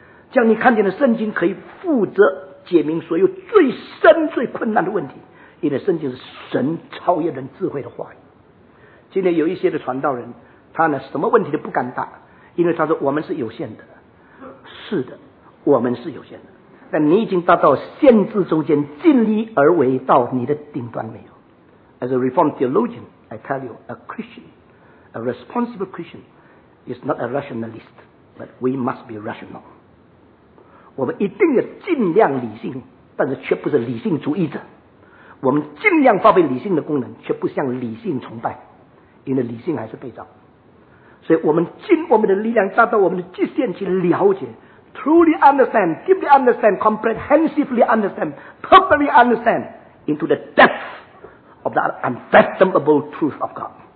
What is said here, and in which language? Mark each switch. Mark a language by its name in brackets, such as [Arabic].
[Chinese] 这样你看见的圣经可以负责解明所有最深最困难的问题，因为圣经是神超越人智慧的话语。今天有一些的传道人，他呢什么问题都不敢答，因为他说我们是有限的。是的，我们是有限的，但你已经达到限制中间尽力而为到你的顶端没有。 [English] As a reformed theologian I tell you a Christian a responsible Christian is not a rationalist but we must be rational。 [Chinese] 我们一定要尽量理性，但是却不是理性主义者。我们尽量发挥理性的功能，却不向理性崇拜，因为理性还是被造。所以我们尽我们的力量，达到我们的极限去了解 [English] truly understand deeply understand comprehensively understand perfectly understand into the depth of the unfathomable truth of God。